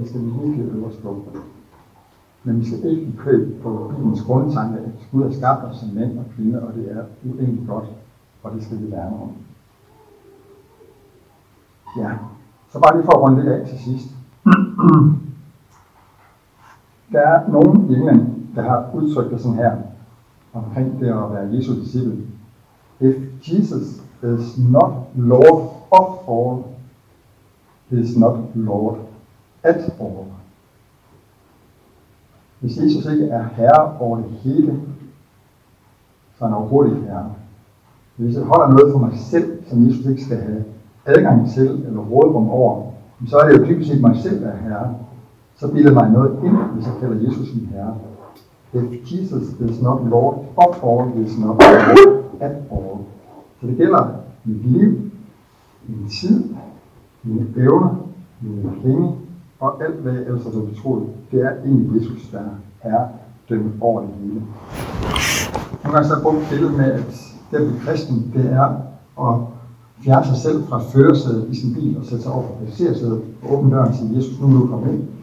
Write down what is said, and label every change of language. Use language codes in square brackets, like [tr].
[da] Det skal vi ikke øve os på. Men vi skal ikke købe på Bibelens grundtanke, at Gud har skabt os som mænd og kvinder, og det er uendeligt godt, og det skal vi lære om. Ja, så bare lige for at runde lidt af til sidst. Der er nogen i England, der har udtrykt det sådan her, omkring det at være Jesu disciple. [en] If Jesus is not Lord of all, he is not Lord at all. [da] Hvis Jesus ikke er herre over det hele, så er han overhovedet ikke herre. Hvis jeg holder noget for mig selv, som Jesus ikke skal have adgang til eller rådrum over, så er det jo typisk ikke mig selv, der er herre. Så bilder mig noget ind, hvis jeg kalder Jesus min herre. [en] If Jesus is not Lord of all, he is not Lord at all. [da] Så det gælder mit liv, min tid, mine evner, mine penge og alt hvad jeg ellers har betroet. Det er egentlig Jesus, der er dømme over det hele. Nogle gange så har jeg brugt billedet med, at det at blive kristen, det er at fjerne sig selv fra førersædet i sin bil og sætte sig over på passagersædet og åbne døren og sige, Jesus, nu er du kommet ind.